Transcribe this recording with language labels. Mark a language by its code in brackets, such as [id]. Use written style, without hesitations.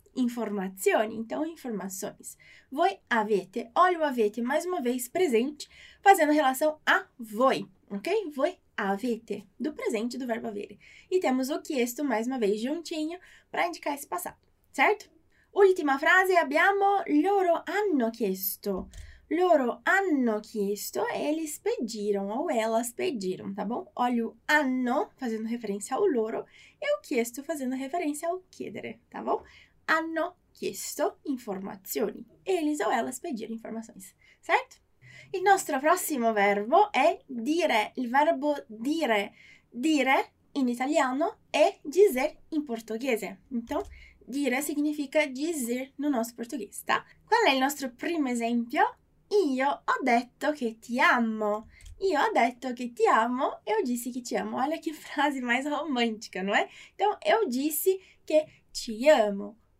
[it] Informazioni, [pt] então informações. [it] Voi avete, [pt] olha o avete mais uma vez presente, fazendo relação a voi, ok? [it] Voi avete, [pt] do presente do verbo avere. E temos o chiesto mais uma vez juntinho para indicar esse passado, certo? [it] Ultima frase, abbiamo loro hanno chiesto. Loro hanno chiesto, [pt] eles pediram ou elas pediram, tá bom? Olha o hanno fazendo referência ao loro e o chiesto fazendo referência ao chiedere, tá bom? [it] Hanno chiesto informazioni. [pt] Eles ou elas pediram informações, certo? [it] Il nostro prossimo verbo è dire, il verbo dire. Dire in italiano è dizer in portoghese. [pt] Então, dire significa dizer no nosso português, tá? [it] Qual è il nostro primo esempio? Io ho detto che ti amo. Io ho detto che ti amo, [pt] eu disse [it] che ti amo. [pt] Olha che frase mais romântica, não é? Então, eu disse [it] che ti amo.